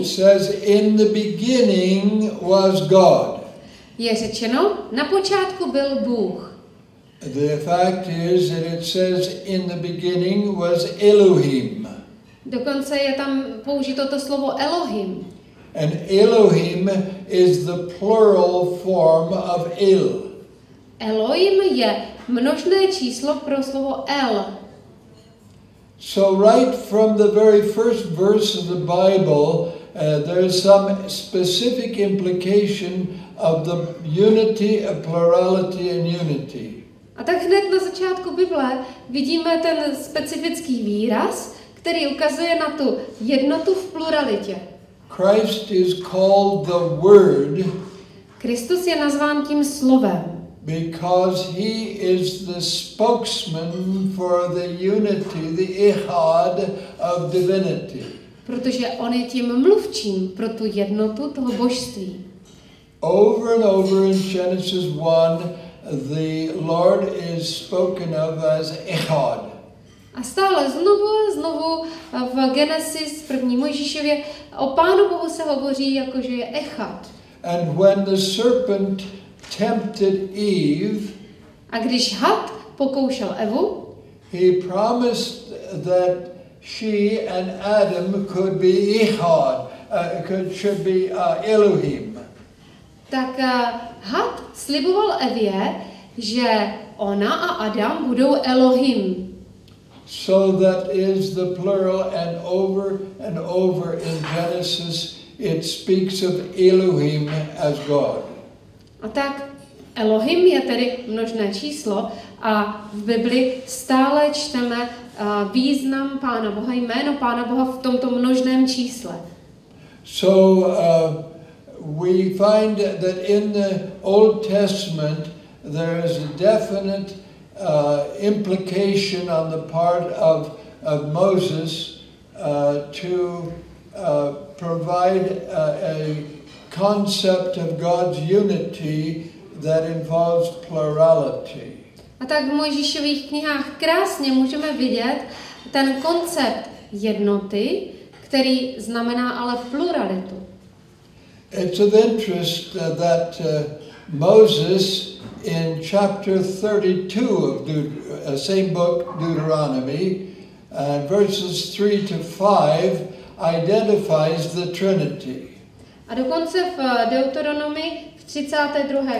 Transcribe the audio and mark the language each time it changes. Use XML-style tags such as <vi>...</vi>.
<en>it says, in the beginning was God.</en> <cs>Je řečeno, na počátku byl Bůh.</cs> <en>The fact is that it says in the beginning was Elohim.</en> <cs>Dokonce je tam použito to slovo Elohim.</cs> <en>And Elohim is the plural form of El.</en> <cs>Elohim je množné číslo pro slovo El.</cs> <en>So right from the very first verse of the Bible, there is some specific implication of the unity, of plurality and unity.</en> <cs>A tak hned na začátku Bible vidíme ten specifický výraz, který ukazuje na tu jednotu v pluralitě.</cs> <en>Christ is called the Word.</en> <cs>Kristus je nazván tím slovem.</cs> <en>Because he is the spokesman for the unity, the ichad of divinity.</en> <cs>Protože on je tím mluvčím pro tu jednotu toho božství.</cs> <en>Over and over in Genesis 1, the Lord is spoken of as ichad.</en> <cs>A stále znovu a znovu v Genesis 1. Mojžíšově o Pánu Bohu se hovoří jako že je ichad.</cs> <en>And when the serpent tempted Eve,</en> <cs>a když had pokoušel Evu,</cs> <en>he promised that she and Adam could be ichad, should be Elohim.</en> <cs>Tak had sliboval Evě, že ona a Adam budou Elohim.</cs> <en>So that is the plural, and over in Genesis it speaks of Elohim as God.</en> <cs>A tak Elohim je tedy množné číslo a v Bibli stále čteme význam Pána Boha, jméno Pána Boha v tomto množném čísle.</cs> <en>So we find that in the Old Testament there is a definite implication on the part of Moses to provide a concept of God's unity that involves plurality.</en> <cs>A tak v Mojžíšových knihách krásně můžeme vidět ten koncept jednoty, který znamená ale pluralitu.</cs> <en>It's of interest that Moses in chapter 32 of the same book, Deuteronomy, verses 3-5, identifies the Trinity.</en> <cs>A dokonce v Deuteronomii v 32.</cs>